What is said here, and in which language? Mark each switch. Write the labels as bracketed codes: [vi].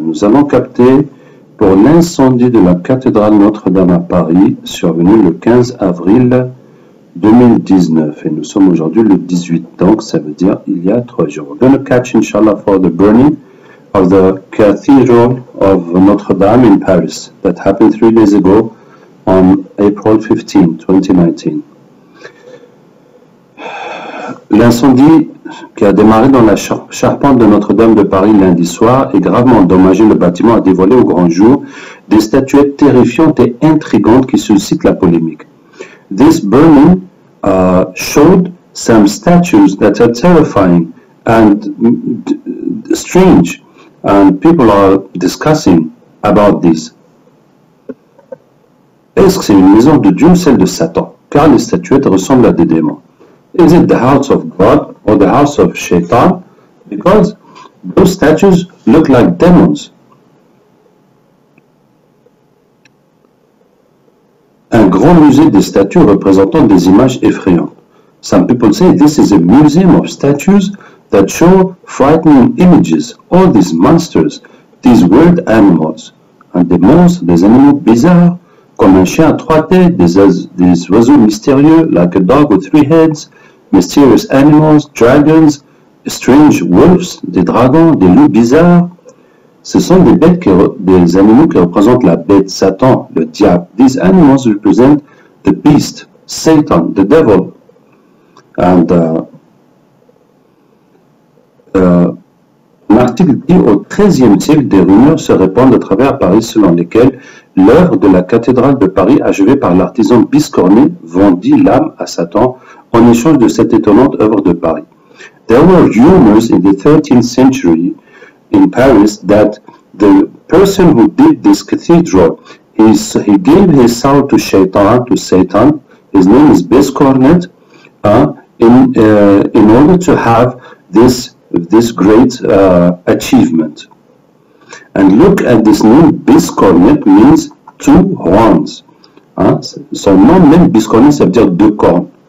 [fr] Nous allons capter pour l'incendie de la cathédrale Notre-Dame à Paris, survenu le 15 avril 2019. Et nous sommes aujourd'hui le 18, donc ça veut dire il y a 3 jours. [en] We're going to catch, inshallah, for the burning of the cathedral of Notre-Dame in Paris that happened 3 days ago on April 15, 2019. [fr] L'incendie qui a démarré dans la charpente de Notre-Dame de Paris lundi soir et gravement endommagé le bâtiment a dévoilé au grand jour des statuettes terrifiantes et intrigantes qui suscitent la polémique. [en] This burning showed some statues that are terrifying and strange, and people are discussing about this. [fr] Est-ce que c'est une maison de Dieu ou celle de Satan? Car les statuettes ressemblent à des démons. [en] Is it the house of God or the house of Shaitan? Because those statues look like demons. [fr] Un grand musée de statues représentant des images effrayantes. [en] Some people say this is a museum of statues that show frightening images. All these monsters, these weird animals. And demons, [fr] des animaux bizarres, comme un chien à trois têtes, des oiseaux mystérieux, [en] like a dog with three heads, mysterious animals, dragons, strange wolves, [fr] des dragons, des loups bizarres. Ce sont des bêtes, des animaux qui représentent la bête, Satan, le diable. [en] These animals represent the beast, Satan, the devil. And [fr] l'article dit au XIIIe siècle, des rumeurs se répandent à travers Paris selon lesquelles l'œuvre de la cathédrale de Paris, achevée par l'artisan Biscornet, vendit l'âme à Satan en échange de cette étonnante œuvre de Paris. [en] There were rumors in the 13th century in Paris that the person who did this cathedral, he gave his soul to Shaitan, to Satan, his name is Biscornet, in order to have this great achievement. And look at this name, Biscornet means two horns. [fr] Son nom même Biscornet, ça veut dire deux cornes.